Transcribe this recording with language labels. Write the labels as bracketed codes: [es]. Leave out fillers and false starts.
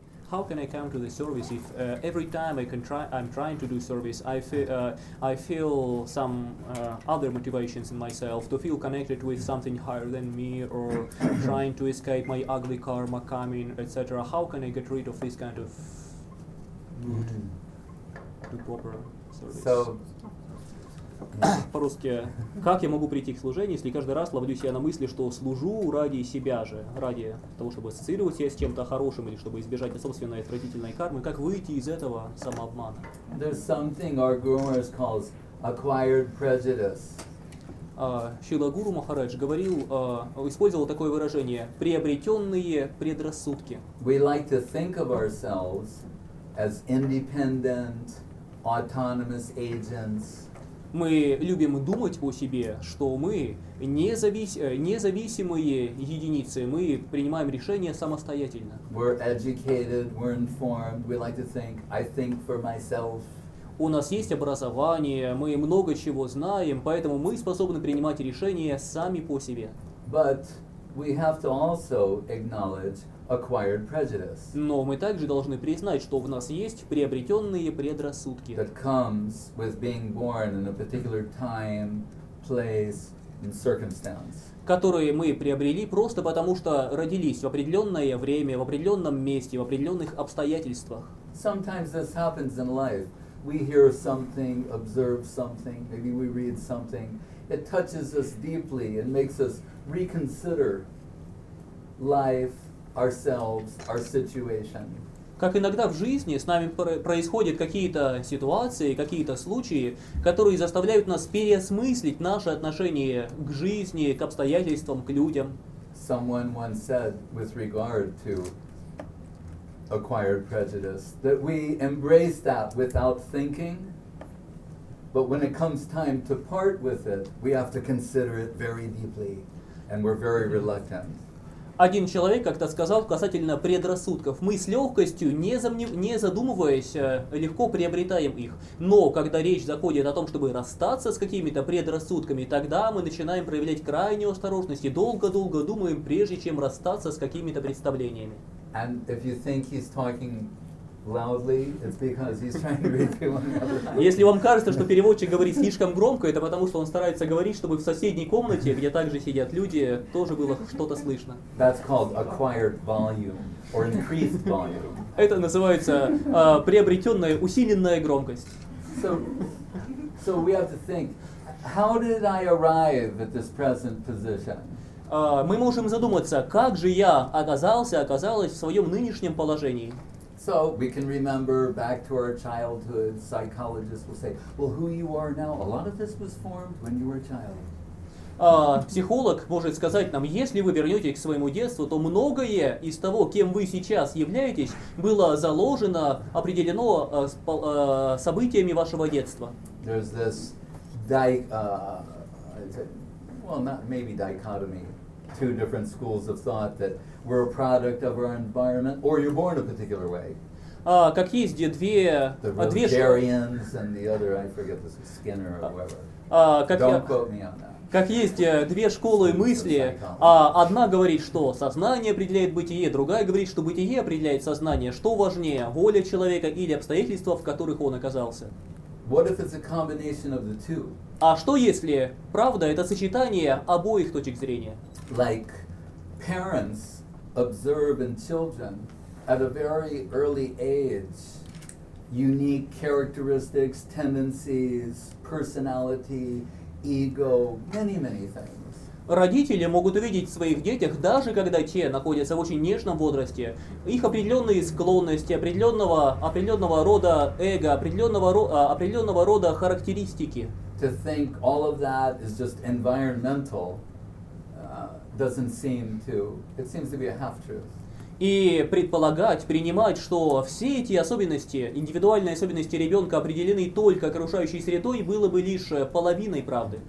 [en] how can I come to the service if every time I can try, I'm trying to do service, I feel some other motivations in myself to feel connected with something higher than me, or trying to escape my ugly karma coming, etc. How can I get rid of this kind of mood to proper service? [ru] По-русски, как я могу прийти к служению, если каждый раз ловлю себя на мысли, что служу ради себя же, ради того, чтобы ассоциировать себя с чем-то хорошим или чтобы избежать собственной отвратительной кармы, как выйти из этого самообмана? [en] There's something our gurus calls acquired prejudice. [ru] Шрила Гуру Махарадж говорил, использовал такое выражение: приобретенные предрассудки. [en] We like to think of ourselves as independent, autonomous agents. [ru] Мы любим думать о себе, что мы независимые единицы, мы принимаем решения самостоятельно. [en] We're educated, we're informed, we like to think, I think for myself. [ru] У нас есть образование, мы много чего знаем, поэтому мы способны принимать решения сами по себе. [en] But we have to also acknowledge acquired prejudice. [ru] Но мы также должны признать, что в нас есть приобретенные предрассудки. [en] That comes with being born in a particular time, place, and circumstance. [ru] Которые мы приобрели просто потому, что родились в определенное время, в определенном месте, в определенных обстоятельствах. [en] Sometimes this happens in life. We hear something, observe something, maybe we read something. It touches us deeply and makes us reconsider life, ourselves, our situation. [ru] Как иногда в жизни с нами происходят какие-то ситуации, какие-то случаи, которые заставляют нас переосмыслить наше отношение к жизни, к обстоятельствам, к людям. [en] Someone once said with regard to acquired prejudice that we embrace that without thinking, but when it comes time to part with it, we have to consider it very deeply and we're very reluctant. [ru] Один человек как-то сказал касательно предрассудков: мы с легкостью, не задумываясь, легко приобретаем их. Но когда речь заходит о том, чтобы расстаться с какими-то предрассудками, тогда мы начинаем проявлять крайнюю осторожность и долго-долго думаем, прежде чем расстаться с какими-то представлениями. [en] And if you think he's talking loudly, it's because he's trying to read people another. [ru] Если вам кажется, что переводчик говорит слишком громко, это потому, что он старается говорить, чтобы в соседней комнате, где также сидят люди, тоже было что-то слышно. [en] That's called acquired volume or increased volume. [ru] Это называется приобретенная усиленная громкость. [en] So we have to think, how did I arrive at this present position? [ru] Мы можем задуматься, как же я оказалась в своем нынешнем положении. [en] So we can remember back to our childhood. Psychologists will say, "Well, who you are now? A lot of this was formed when you were a child." [ru] Психолог может сказать нам, если вы вернетесь к своему детству, то многое из того, кем вы сейчас являетесь, было заложено, определено событиями вашего детства. [en] There's this dichotomy, two different schools of thought that we're a product of our environment, or you're born a particular way. [ru] Как есть две [en] Rogerians and the other, I forget this, Skinner or whatever. Don't quote me on that. [ru] Как есть две школы мысли, одна говорит, что сознание определяет бытие, другая говорит, что бытие определяет сознание. Что важнее, воля человека или обстоятельства, в которых он оказался? [en] What if it's a combination of the two? [ru] А что если правда это сочетание обоих точек зрения? [en] Like parents observe in children at a very early age unique characteristics, tendencies, personality, ego, many things. [ru] Родители могут увидеть в своих детях, даже когда те находятся в очень нежном возрасте, их определенные склонности, определенного рода эго, определенного рода характеристики. [en] To think all of that is just environmental doesn't seem to. It seems to be a half truth. [ru] И предполагать, принимать, что все эти особенности, индивидуальные особенности ребенка, определены только окружающей средой, было бы лишь половиной правды.